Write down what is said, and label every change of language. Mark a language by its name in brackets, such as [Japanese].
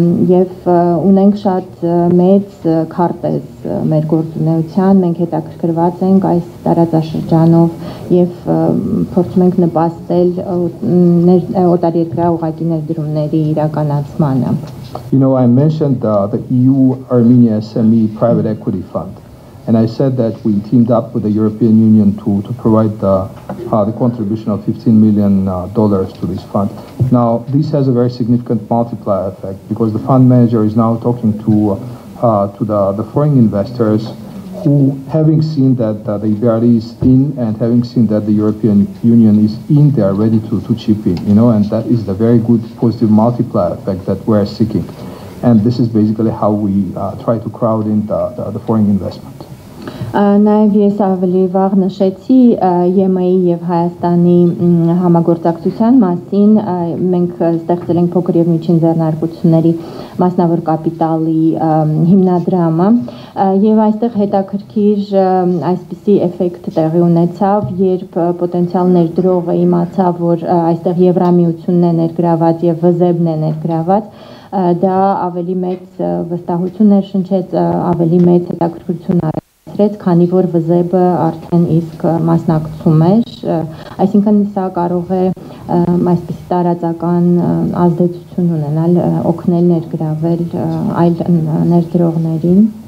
[Armenian] եւ ունենք շատ մեծ քարտեզ մեր գործունեության, մենք հետաքրքրված ենք այս տարածաշրջանով եւ փորձում ենք նպաստել օտարերկրյա ուղղակի ներդրումների իրականացմանը։ [English] You know, I mentioned the EU Armenia SME private equity fund, and I said that we teamed up with the European Union to provide the contribution of $15 million to this fund. Now, this has a very significant multiplier effect because the fund manager is now talking to the foreign investors who, having seen that the EBRD is in and having seen that the European Union is in, they are ready to chip in, you know, and that is the very good positive multiplier effect that we are seeking. And this is basically how we try to crowd in the foreign investment. [Armenian] Նաև ես ավելի վաղ նշեցի ԵՄ-ի եւ Հայաստանի համագործակցության մասին, մենք ստեղծել ենք փոքր եւ միջին ձեռնարկությունների մասնավոր կապիտալի հիմնադրամը, եւ այստեղ հետաքրքիր այսպիսի էֆեկտ տեղի ունեցավ, երբ պոտենցիալ ներդրողը իմացավ, որ այստեղ Եվրամիությունն է ներգրաված եւ ՎԶԵԲ-ն է ներգրաված, դա ավելի մեծ վստահություն է շնչեց, ավելի մեծ հետաքրքրություն առաջացրեց, քանի որ ՎԶԵԲ-ը արդեն իսկ մասնակցում էր, այսինքն սա կարող է այսպիսի տարածական ազդեցություն ունենալ, օգնել ներգրավել այլ ներդրողներին։